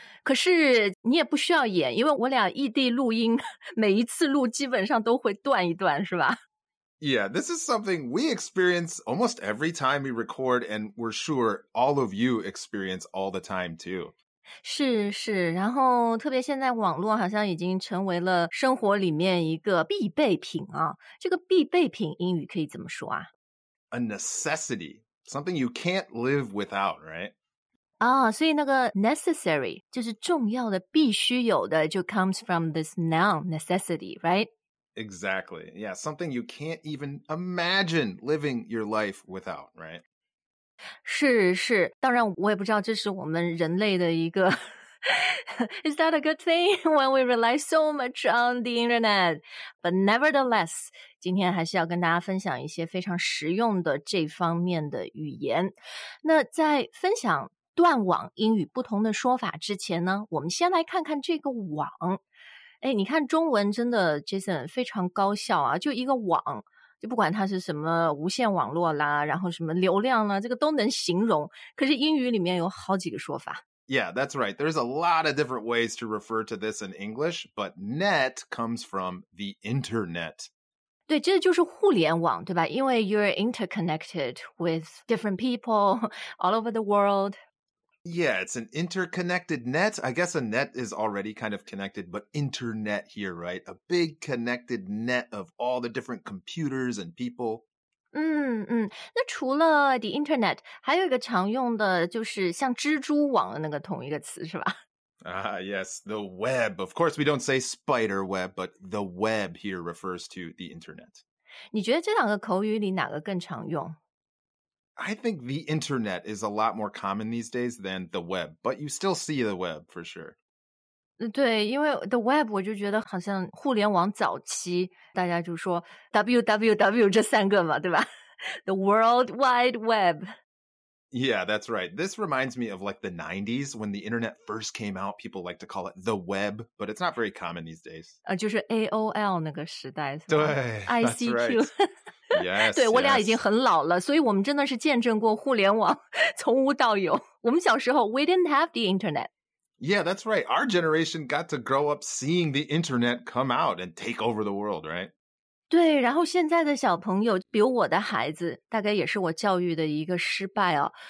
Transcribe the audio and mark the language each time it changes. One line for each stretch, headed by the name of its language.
Chinese: 可是你也不需要演，因为我俩异地录音，每一次录基本上都会断一段，是吧？
English: Yeah, this is something we experience almost every time we record, and we're sure all of you experience all the time too.
Chinese: 是是，然后特别现在网络好像已经成为了生活里面一个必备品啊。这个必备品英语可以怎么说啊？
English: A necessity, something you can't live without, right?
Chinese: 啊、oh, ，所以那个 necessary 就是重要的、必须有的，就
English: comes from this noun necessity, right? Exactly. Yeah, something you can't even imagine living your life without, right?
Chinese: 是是，当然我也不知道这是我们人类的一个
English: is that a good thing when we rely so much on the internet? But nevertheless,
Chinese: 今天还是要跟大家分享一些非常实用的这方面的语言。那在分享。断网英语不同的说法之前呢，我们先来看看这个网。哎，你看中文真的 Jason 非常高效啊，就一个网，就不管它是什么无线网络啦，然后什么流量啦，这个都能形容。可是英语里面有好几个说法。
English: Yeah, that's right. There's a lot of different ways to refer to this in English, but net comes from the internet.
Chinese: 对，这就是互联网，对吧？因为
English: you're interconnected with different people all over the world. Yeah, it's an interconnected net. I guess a net is already kind of connected, but internet here, right? A big connected net of all the different computers and people.
Chinese: 那除了 the internet, 还有一个常用的就是像蜘蛛网的那个同一个词是吧？
English: Yes, the web. Of course, we don't say spider web, but the web here refers to the internet.
Chinese: 你觉得这两个口语里哪个更常用？
English: I think the internet is a lot more common these days than the web, but you still see the web for sure.
Chinese: 对，因为 the web 我就觉得好像互联网早期大家就说 www 这三个嘛，对吧？
English: The World Wide Web. Yeah, that's right. This reminds me of like the 90s when the internet first came out. People like to call it the web, but it's not very common these days.
Chinese: 就是 AOL 那个时代。对 ,ICQ.
English: That's right. Yes,
Chinese: 对、
English: yes.
Chinese: 我俩已经很老了，所以我们真的是见证过互联网从无到有。我们小时候
English: ，we didn't have the internet. Yeah, that's right. Our generation got to grow up seeing the internet come out and take over the world, right?
Chinese: 对，然后现在的小朋友，比如我的孩子，大概也是我教育的一个失败哦。